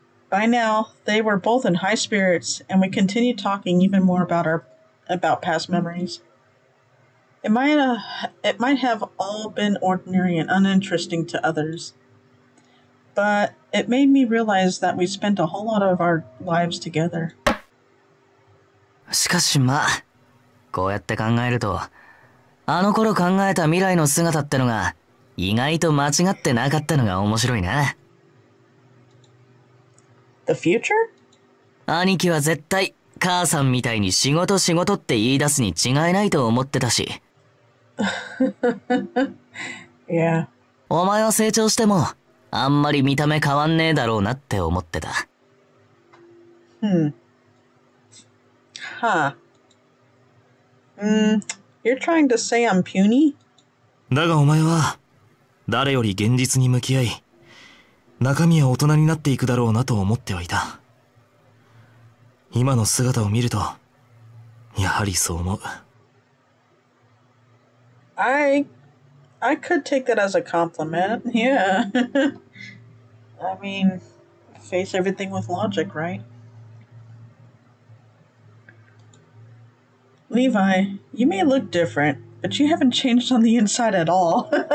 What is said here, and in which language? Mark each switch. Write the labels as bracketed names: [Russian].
[English] By now, they were both in high spirits, and we continued talking even more about past memories. It might have all been ordinary and uninteresting to others, but it made me realize that we spent a whole lot of our lives together. [Japanese] しかしまあ、こうやって考えると、あの頃考えた未来の姿ってのが意外と間違ってなかったのが面白いな。 [English] The future? [Japanese] 兄貴は絶対母さんみたいに仕事仕事って言い出すに違いないと思ってたし。 [English] Yeah. [Japanese] お前は成長してもあんまり見た目変わんねえだろうなって思ってた。 [English] You're trying to say I'm puny? [Japanese] だがお前は誰より現実に向き合い、中身は大人になっていくだろうなと思ってはいた。今の姿を見ると、やはりそう思う。 [English] I could take that as a compliment, yeah. I mean, face everything with logic, right? Levi, you may look different, but you haven't changed on the inside at all.